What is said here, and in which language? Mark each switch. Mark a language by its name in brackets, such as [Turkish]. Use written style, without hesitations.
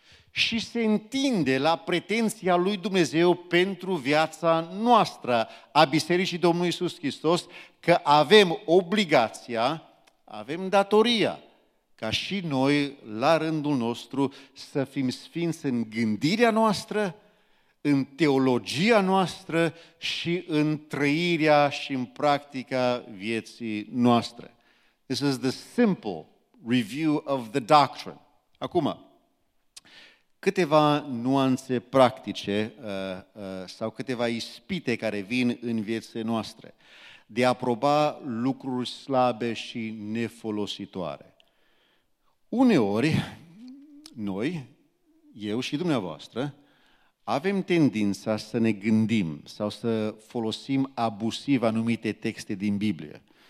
[Romanian] și se întinde la pretenția lui Dumnezeu pentru viața noastră, a Bisericii Domnului Iisus Hristos, că avem obligația, avem datoria, ca și noi, la rândul nostru, să fim sfinți în gândirea noastră, în teologia noastră și în trăirea și în practica vieții noastre. [English] This is the simple review of the doctrine. [Romanian] Acum, câteva nuanțe practice sau câteva ispite care vin în viețile noastre de a proba lucruri slabe și nefolositoare. Uneori, noi, eu și dumneavoastră, avem tendința să ne gândim sau să folosim abusiv anumite texte din Biblie.